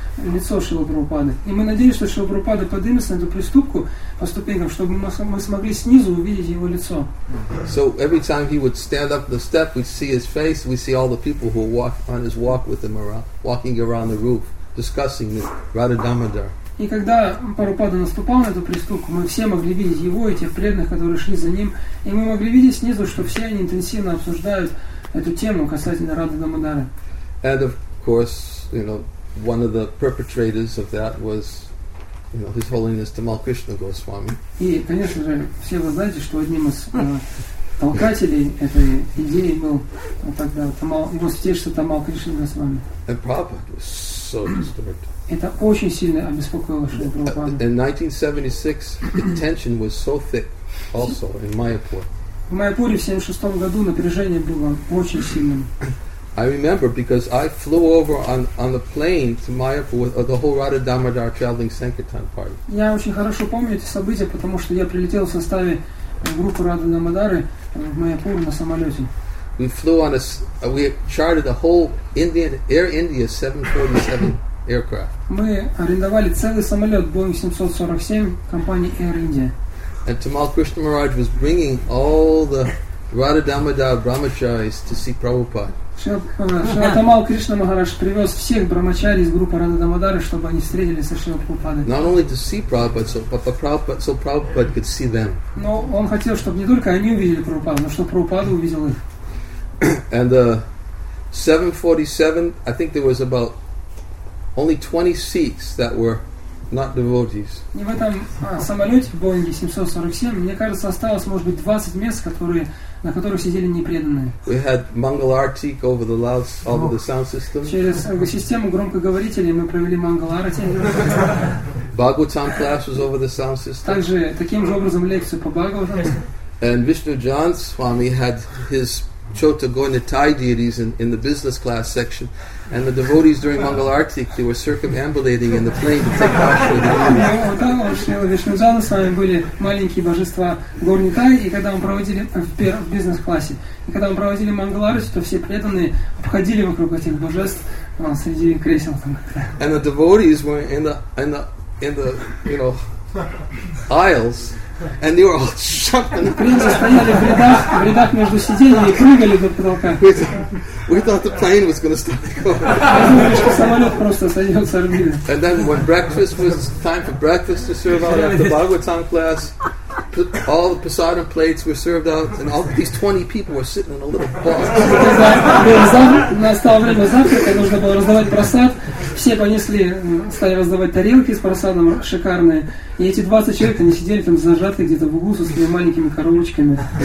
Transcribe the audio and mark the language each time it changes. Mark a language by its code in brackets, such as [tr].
[ru] лицо Шрилы Прабхупады. И мы надеемся, что Шрила Прабхупада поднимется на эту приступку по ступенькам, чтобы мы смогли снизу увидеть его лицо. [en] So every time he would stand up the step, we'd see his face, we see all the people who walk on his walk with him around, walking around the roof, discussing the Radha Damodar. [ru] И когда Прабхупада наступал на эту приступку, мы все могли видеть его и тех преданных, которые шли за ним, и мы могли видеть снизу, что все они интенсивно обсуждают эту тему касательно Радха Дамодара. [en] And of course, you know, one of the perpetrators of that was, you know, His Holiness Tamal Krishna Goswami. [ru] И, конечно же, все вы знаете, что одним из толкателей этой идеи был тогда Тамал, его святейшество Тамал Кришна Госвами. [en] And Prabhupada was so disturbed. [ru] Это очень сильно обеспокоило Шрилу Прабхупаду. [en] In 1976, the tension was so thick also in Mayapur. [ru] В Майяпуре в 76 году напряжение было очень сильным. [en] I remember because I flew over on the plane to Mayapur with the whole Radha Damodar traveling Sankirtan party. [ru] Я очень хорошо помню эти события, потому что я прилетел в составе группы Радха Дамодары в Майяпур на самолете. [en] We flew on a, we chartered a whole Indian Air India 747 aircraft. [ru] Мы арендовали целый самолет Boeing 747 компании Air India. [en] And Tamal Krishna Maharaj was bringing all the Radha Damodar brahmacharis to see Prabhupada. [ru] Шрила Тамал Кришна Махарадж привез всех брахмачари из группы Радха Дамодара, чтобы они встретились со Шрилой Прабхупадой. [en] Not only to see Prabhupada, so Prabhupada could see them. [ru] Но он хотел, чтобы не только они увидели Прабхупаду, но чтобы Прабхупада увидел их. [en] And the 747, I think there was about only 20 seats that were not devotees. [ru] И в этом самолете, в Боинге 747, мне кажется, осталось, может быть, 20 мест, которые, на которых сидели непреданные. [en] We had Mangal Arati over the louds, over the sound system. [ru] Через систему громкоговорителей мы провели Mangal Arati. [en] Bhagavatam class was over the sound system. [ru] Также таким же образом лекцию по Бхагаватам. [en] And Vishnu Jan Swami had his Chota Gonitai deities in the business class section, and the devotees during Mangal Arati they were circumambulating in the plane to take off for the [ru] Vishnu-Jana с вами были маленькие божества Горнитай, и когда мы проводили в бизнес классе, и когда мы проводили Mangal Arati, то все преданные обходили вокруг этих божеств среди кресел. [en] And the devotees were in the you know aisles. And they were all jumping. [ru] Мы стояли в рядах между сиденьями и прыгали до потолка. [en] We thought the plane was going to stop. [ru] Думали, что самолет просто сойдет с орбиты. [en] And then when breakfast was time for breakfast to serve out at the Bhagavatam class, all the prasadam plates were served out, and all these 20 people were sitting in a little box. [ru] Настало время завтрака, нужно было раздавать прасад. Все понесли, стали раздавать тарелки с прасадом шикарные. И эти 20 человек, они сидели там зажаты где-то в углу со своими маленькими коробочками.